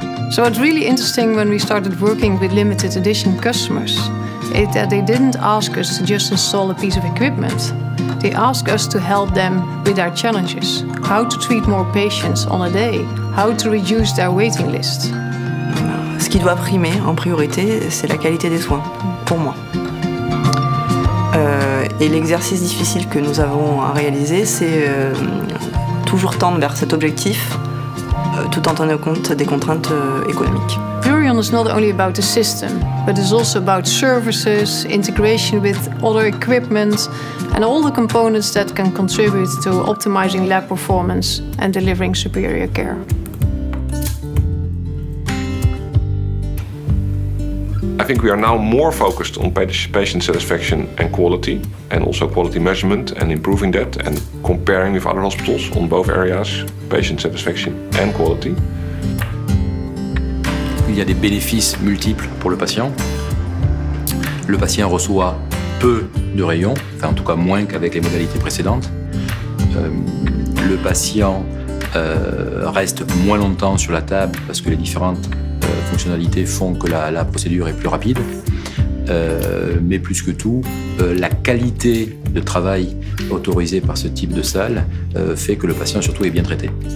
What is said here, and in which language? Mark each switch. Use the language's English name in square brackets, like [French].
[English] So it's really interesting when we started working with limited edition customers that they didn't ask us to just install a piece of equipment. They asked us to help them with their challenges. How to treat more patients on a day? How to reduce their waiting list? [French] Ce qui doit primer en priorité, c'est la qualité des soins, pour moi. Et l'exercice difficile que nous avons à réaliser, c'est toujours tendre vers cet objectif. Tout en tenant compte des contraintes économiques. [English] Azurion is not only about the system, but it's also about services, integration with other equipment, and all the components that can contribute to optimizing lab performance and delivering superior care. I think we are now more focused on patient satisfaction and quality, and also quality measurement and improving that, and comparing with other hospitals on both areas, patient satisfaction and quality. [French] Il y a des bénéfices multiples pour le patient. Le patient reçoit peu de rayons, enfin en tout cas moins qu'avec les modalités précédentes. Le patient reste moins longtemps sur la table parce que les différentes fonctionnalités font que la procédure est plus rapide, mais plus que tout, la qualité de travail autorisée par ce type de salle fait que le patient surtout est bien traité.